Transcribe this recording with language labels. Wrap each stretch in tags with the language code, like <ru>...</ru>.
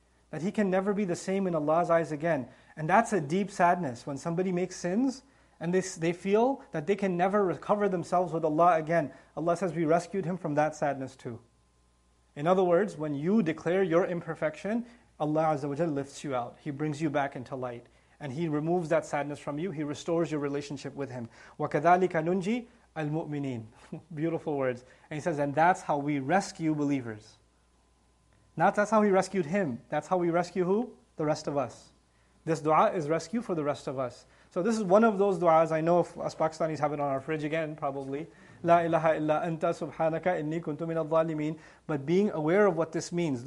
<en>That he can never be the same in Allah's eyes again. And that's a deep sadness when somebody makes sins and they feel that they can never recover themselves with Allah again. Allah says, we rescued him from that sadness too. In other words, when you declare your imperfection, Allah Azza wa Jalla lifts you out. He brings you back into light. And he removes that sadness from you. He restores your relationship with him.</en> <ar>وَكَذَلِكَ نُنْجِي Al-Mu'mineen.</ar> <en>Beautiful words. And he says, and that's how we rescue believers. Not that's how he rescued him. That's how we rescue who? The rest of us. This dua is rescue for the rest of us. So this is one of those duas. I know if us Pakistanis have it on our fridge again, probably.</en> <ar>La ilaha illa anta subhanaka inni kuntu minal zalimeen.</ar> <en>But being aware of what this means.</en>